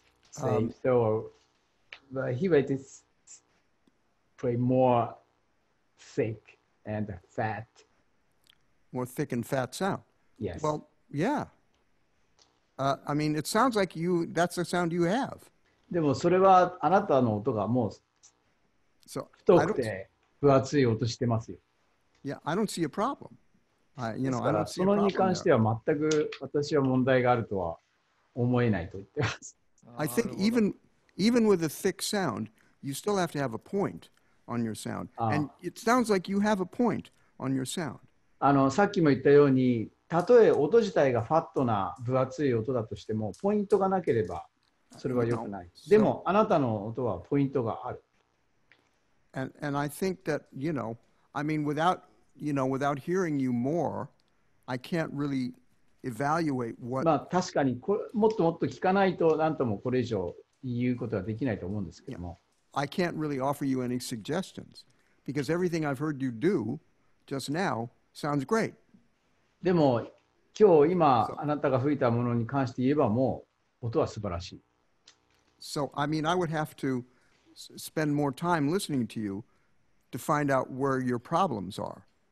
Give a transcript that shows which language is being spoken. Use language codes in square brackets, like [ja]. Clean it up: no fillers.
[en] So, but he would play more thick and fat. More thick and fat sound. Yes. Well, yeah. I mean, it sounds like you, that's the sound you have. [ja] でもそれはあなたの音がもう太くて分厚い音してますよ。 [en] Yeah, I don't see a problem. You know, I don't see a problem. [ja] それに関しては全く私は問題があるとは思えないと言ってます。 [en] I think even with a thick sound, you still have to have a point on your sound. And it sounds like you have a point on your sound. [ja] さっきも言ったように、たとえ音自体がファットな分厚い音だとしても、ポイントがなければそれは良くない。でも、あなたの音はポイントがある。 [en] And I think that, you know, I mean, without hearing you more, I can't really evaluate what... [ja] まあ、確かにもっともっと聞かないと、なんともこれ以上言うことはできないと思うんですけども。 [en] I can't really offer you any suggestions, because everything I've heard you do just now sounds great. [ja] でも今日今あなたが吹いたものに関して言えばもう音は素晴らしい。 [en] So, I mean, I would have to spend more time listening to you to find out where your problems are.